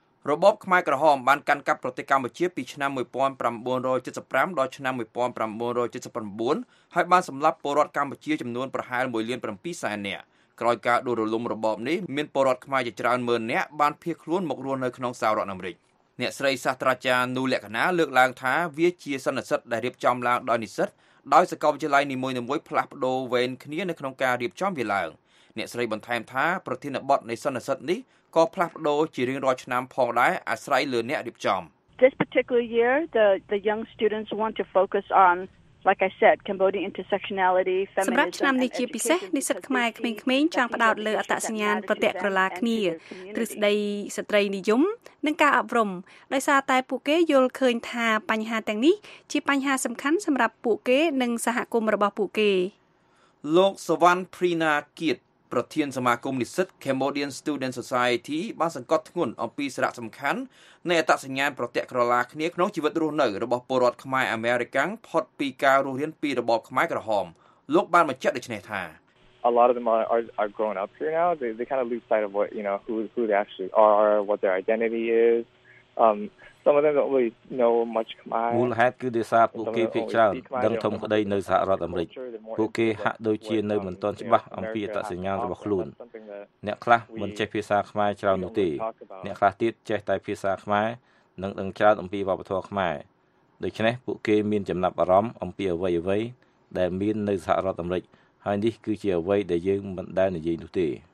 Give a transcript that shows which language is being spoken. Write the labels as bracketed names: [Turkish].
[Khmer] របបខ្មែរក្រហមបានកាន់កាប់ប្រទេសកម្ពុជាពីឆ្នាំ1975ដល់ឆ្នាំ1979ហើយបានសម្លាប់ពលរដ្ឋកម្ពុជាចំនួនប្រហែល 1.7 លាននាក់ក្រោយការដួលរលំរបបនេះមានពលរដ្ឋខ្មែរជាច្រើនម៉ឺននាក់បានភៀសខ្លួនមករស់នៅក្នុងសហរដ្ឋអាមេរិកអ្នកស្រីសាស្ត្រាចារ្យនូលក្ខិណាលើកឡើងថាវាជាសន្និសីទដែលរៀបចំឡើងដោយនិស្សិត ដោយសាកលវិទ្យាល័យនីមួយៗផ្លាស់ប្ដូរវេនគ្នានៅក្នុងការរៀបចំវាឡើងអ្នកស្រីបន្ថែមថាប្រធានបទនៃសន្និសីទនេះក៏ផ្លាស់ប្ដូរជារៀងរាល់ឆ្នាំផងដែរអាស្រ័យលើអ្នករៀបចំ [English] This particular year the young students want to focus on like I said Cambodian intersectionality feminism [Khmer] សម្រាប់ឆ្នាំនេះជាពិសេសនិស្សិតខ្មែរក្មេងៗចង់ផ្ដោតលើអត្តសញ្ញាណប្រតិកក្រឡាគ្នាទ្រឹស្ដីស្ត្រីនិយមនិងការអប់រំដោយសារតែពួកគេយល់ឃើញថាបញ្ហាទាំងនេះជាបញ្ហាសំខាន់សម្រាប់ពួកគេនិងសហគមន៍របស់ពួកគេ លោកសវណ្ណព្រីណាគៀតប្រធានសមាគមនិស្សិត Cambodian Student Society បានសង្កត់ធ្ងន់អំពីសារៈសំខាន់នៃអត្តសញ្ញាណប្រតិកក្រឡាគ្នាក្នុងជីវិតរស់នៅរបស់ពលរដ្ឋខ្មែរអាមេរិកាំងផុតពីការរស់រានពីរបបខ្មែរក្រហមលោកបានបញ្ជាក់ដូចនេះថា [English] A lot of them are growing up here now they kind of lose sight of what you know who they actually are what their identity is some of them don't really know much Khmer [Khmer] មូលហេតុគឺដោយសារពួកគេភាគច្រើនដឹងធំក្តីនៅសហរដ្ឋអាមេរិកពួកគេហាក់ដូចជានៅមិនទាន់ច្បាស់អំពីអត្តសញ្ញាណរបស់ខ្លួនអ្នកខ្លះមិនចេះភាសាខ្មែរច្រើននោះទេអ្នកខ្លះទៀតចេះតែភាសាខ្មែរនិងដឹងច្រើនអំពីវប្បធម៌ខ្មែរដូច្នេះពួកគេមានចំណាប់អារម្មណ៍អំពីអ្វីៗដែលមាននៅសហរដ្ឋអាមេរិកហើយនេះគឺជាអ្វីដែលយើងមិនដែលនិយាយនោះទេ